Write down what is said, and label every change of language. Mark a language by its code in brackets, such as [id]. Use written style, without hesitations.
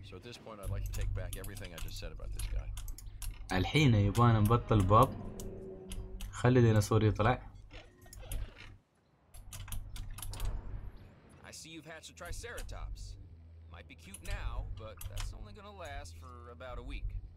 [en] so at this point I'd like to take back everything I just said about this guy. [ar] الحين يبانا نبطل الباب خلي ديناصور يطلع. [en] I see you've hatched a triceratops. Might be cute now, but that's only gonna last for about a week.